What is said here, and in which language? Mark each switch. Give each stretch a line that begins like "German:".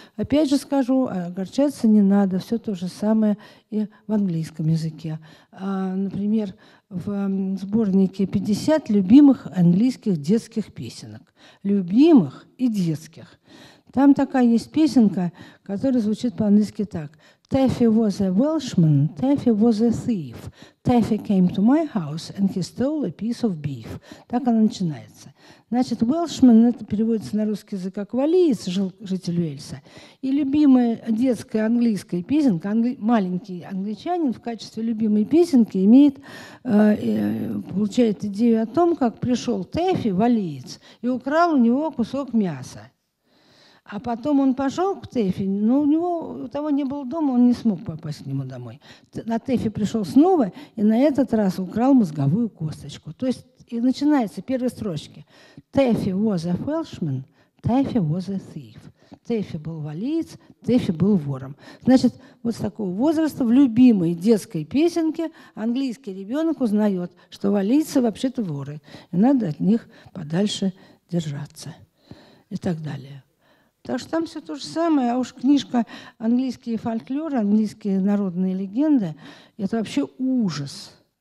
Russian: Опять же скажу, огорчаться не надо. Все то же самое и в английском языке. Например, в сборнике 50 любимых английских детских песенок. Любимых и детских. Там такая есть песенка, которая звучит по-английски так.
English: Taffy was a Welshman, Taffy was a thief. Taffy came to my house and he stole a piece of beef.
Russian: Так она начинается. Значит, Welshman, это переводится на русский язык как валиец, житель Уэльса. И любимая детская английская песенка, маленький англичанин в качестве любимой песенки имеет, получает идею о том, как пришел Taffy, валиец, и украл у него кусок мяса. А потом он пошел к Тэффи, но у него у того не было дома, он не смог попасть к нему домой. На Тэффи пришел снова и на этот раз украл мозговую косточку. То есть и начинается первые строчки.
English: Тэффи was a Welshman, Тэффи was a thief.
Russian: Тэффи был валиец, Тэффи был вором. Значит, вот с такого возраста в любимой детской песенке английский ребенок узнает, что валиецы вообще-то воры, и надо от них подальше держаться и так далее. Так что там все то же самое, а уж книжка «Английские фольклоры», «Английские народные легенды» – это вообще ужас.